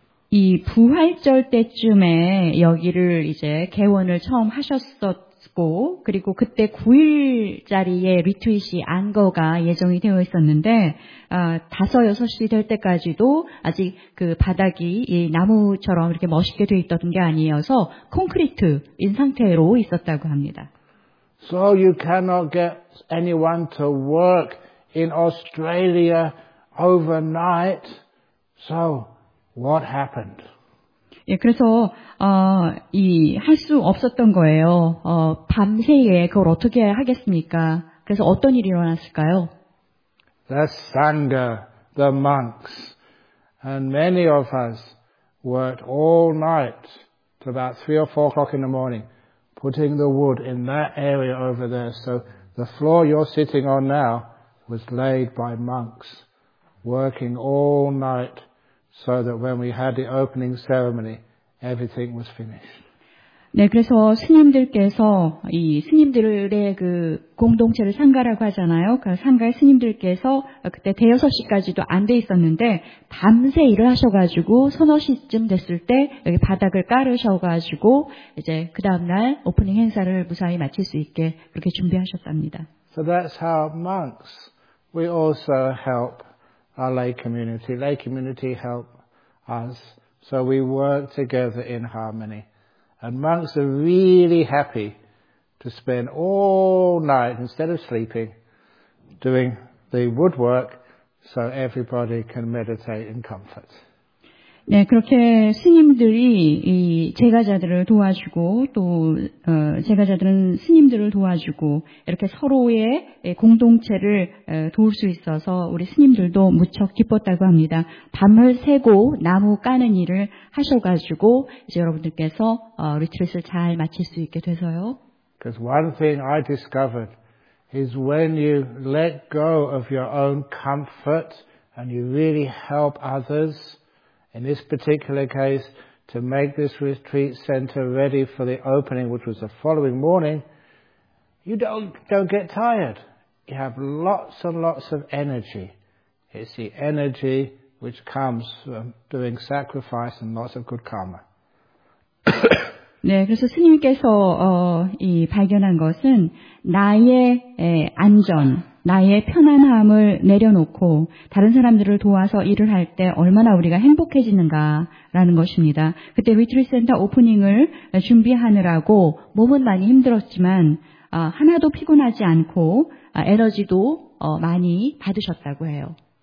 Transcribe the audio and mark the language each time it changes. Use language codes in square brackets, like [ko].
[ko] 이 부활절 때쯤에 여기를 이제 개원을 처음 하셨었고, 그리고 그때 9일짜리의 리트윗이 안거가 예정이 되어 있었는데, 5, 6시 될 때까지도 아직 그 바닥이 이 나무처럼 이렇게 멋있게 되어 있던 게 아니어서 콘크리트인 상태로 있었다고 합니다. [en] So you cannot get anyone to work in Australia overnight. So, what happened? [ko] 예, 그래서 이 할 수 없었던 거예요. 밤새에 그걸 어떻게 하겠습니까? 그래서 어떤 일이 일어났을까요? [en] The Sangha, the monks, and many of us worked all night to about 3 or 4 o'clock in the morning, putting the wood in that area over there. So the floor you're sitting on now was laid by monks, working all night. So that when we had the opening ceremony, everything was finished. [ko] 네, 그래서 스님들께서 이 스님들의 그 공동체를 상가라고 하잖아요. 그 상가의 스님들께서 그때 5, 6시까지도 안 돼 있었는데 밤새 일을 하셔가지고 3, 4시쯤 됐을 때 여기 바닥을 깔으셔가지고 이제 그 다음날 오프닝 행사를 무사히 마칠 수 있게 그렇게 준비하셨답니다. [en] So that's how monks we also help. Our lay community. Lay community help us. So we work together in harmony. And monks are really happy to spend all night instead of sleeping doing the woodwork so everybody can meditate in comfort. [ko] 네, 그렇게 스님들이 이 제가자들을 도와주고 또 제가자들은 스님들을 도와주고 이렇게 서로의 공동체를 도울 수 있어서 우리 스님들도 무척 기뻤다고 합니다. 밤을 새고 나무 까는 일을 하셔가지고 이제 여러분들께서 리트릿을 잘 마칠 수 있게 돼서요. [en] Because one thing I discovered is when you let go of your own comfort and you really help others. In this particular case, to make this retreat center ready for the opening, which was the following morning, you don't get tired. You have lots and lots of energy. It's the energy which comes from doing sacrifice and lots of good karma. [ko] 네, 그래서 스님께서 이 발견한 것은 나의 안전, 나의 편안함을 내려놓고 다른 사람들을 도와서 일을 할 때 얼마나 우리가 행복해지는가라는 것입니다. 그때 리트리 센터 오프닝을 준비하느라고 몸은 많이 힘들었지만 하나도 피곤하지 않고 에너지도 많이 받으셨다고 해요.